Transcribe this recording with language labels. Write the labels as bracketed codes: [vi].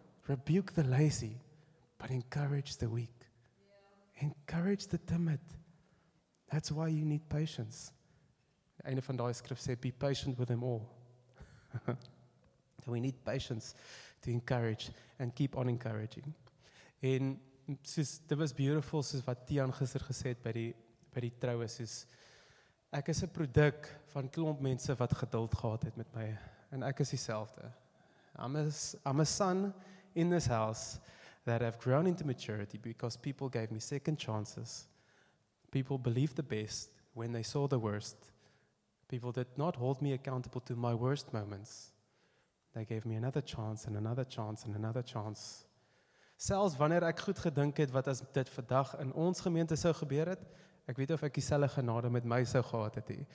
[en] Rebuke the lazy. But encourage the weak. Yeah. Encourage the timid. That's why you need patience. [af] Einde van die skrif sê, [en] be patient with them all. We need patience to encourage and keep on encouraging. [af] En soos, dit was beautiful soos wat Tian gister gesê het by die troue, soos, ek is 'n produk van klomp mense wat geduld gehad het met my, en ek is dieselfde. [en] I'm a son in this house that have grown into maturity because people gave me second chances. People believed the best when they saw the worst. People did not hold me accountable to my worst moments. They gave me another chance and another chance and another chance. [af] Selfs wanneer ek goed gedink het wat as dit vandag in ons gemeente sou gebeur het, ek weet of ek dieselfde genade met my sou gehad het.